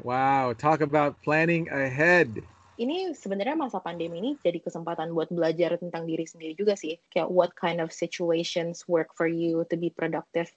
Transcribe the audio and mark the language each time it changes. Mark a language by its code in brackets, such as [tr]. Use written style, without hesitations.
[en] Wow, talk about planning ahead. [id] Ini sebenarnya masa pandemi ini jadi kesempatan buat belajar tentang diri sendiri juga sih. Kayak [en] what kind of situations work for you to be productive.